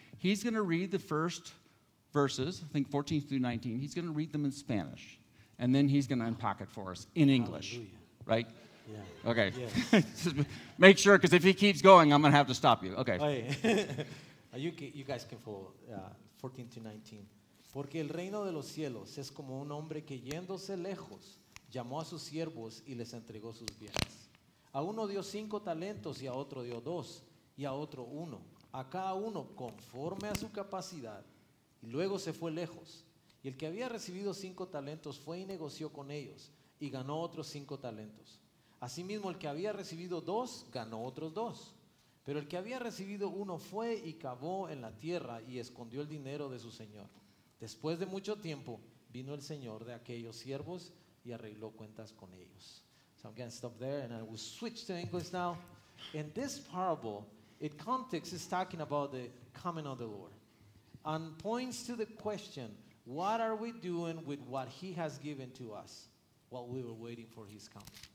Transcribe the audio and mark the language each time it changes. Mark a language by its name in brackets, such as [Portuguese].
[English] He's going to read the first verses, I think 14 through 19. He's going to read them in Spanish, and then he's going to unpack it for us in English. Hallelujah. Right? Yeah. Okay. Yes. Just make sure, because if he keeps going, I'm going to have to stop you. Okay. You guys can follow 14 to 19. [Spanish] Porque el reino de los cielos es como un hombre que yéndose lejos, llamó a sus siervos y les entregó sus bienes. A uno dio 5 talentos y a otro dio 2 y a otro 1. A cada uno conforme a su capacidad. Y luego se fue lejos. Y el que había recibido 5 talentos fue y negoció con ellos y ganó otros 5 talentos. Asimismo, el que había recibido 2 ganó otros 2. Pero el que había recibido 1 fue y cavó en la tierra y escondió el dinero de su señor. Después de mucho tiempo vino el señor de aquellos siervos y arregló cuentas con ellos. [English] So I'm going to stop there and I will switch to English now. In this parable, its context is talking about the coming of the Lord and points to the question, what are we doing with what he has given to us while we were waiting for his coming?